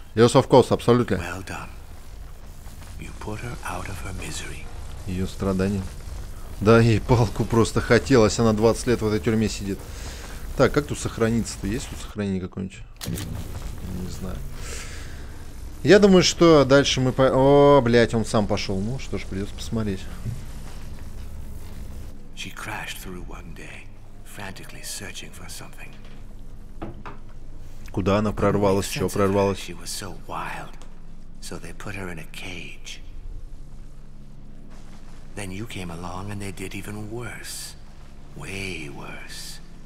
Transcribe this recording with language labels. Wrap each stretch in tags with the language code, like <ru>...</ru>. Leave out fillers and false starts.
<en>Yes, of course,</en> <ru>абсолютно.</ru> <en>Well done. You put her out of her misery.</en> <ru>Ее страдания. Да ей палку просто хотелось. Она 20 лет в этой тюрьме сидит. Так, как тут сохраниться-то? Есть тут сохранение какое-нибудь? Не знаю. Я думаю, что дальше мы по... О, блядь, он сам пошел. Ну что ж, придется посмотреть.</ru> <en>She crashed through one day, frantically searching for something.</en> <ru>Куда она прорвалась? Чего прорвалась?</ru> <en>She was so wild, so they put her in a cage. Then you came along and they did even worse. Way worse.</en>